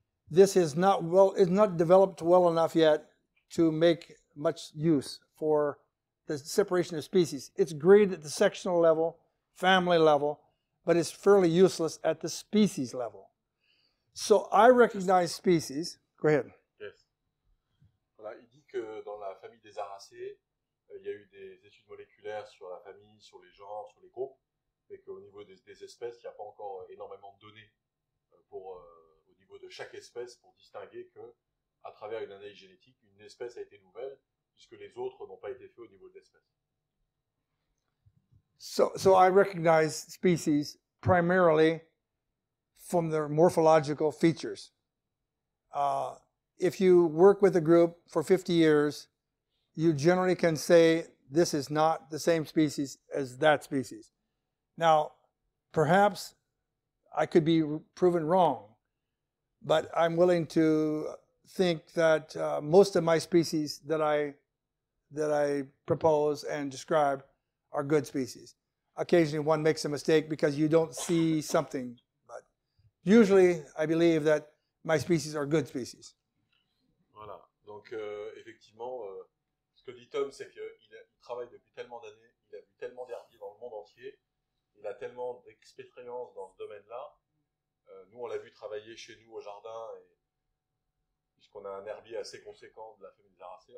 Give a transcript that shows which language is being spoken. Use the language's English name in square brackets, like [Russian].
[English] This is not well, it's not developed well enough yet to make much use for the separation of species. It's great at the sectional level, family level, but it's fairly useless at the species level. So I recognize species. Go ahead. Yes. [French] Voilà, il dit que dans la famille des aracées, il y a eu des études moléculaires sur la famille, sur les genres, sur les groupes. Et qu'au niveau des espèces, il n'y a pas encore énormément de données pour, au niveau de chaque espèce pour distinguer qu'à travers une analyse génétique, une espèce a été nouvelle puisque les autres n'ont pas été faits au niveau de l'espèce. [English] So I recognize species primarily from their morphological features. If you work with a group for 50 years, you generally can say this is not the same species as that species. Now, perhaps I could be proven wrong, but I'm willing to think that most of my species that I propose and describe are good species. Occasionally one makes a mistake because you don't see something, but usually I believe that my species are good species. [French] Voilà. Donc effectivement, ce que dit Tom, c'est qu'il travaille depuis tellement d'années, il a vu tellement d'herbivores dans le monde entier. Il a tellement d'expérience dans ce domaine-là. Nous, on l'a vu travailler chez nous au jardin, et puisqu'on a un herbier assez conséquent de la famille des aracées.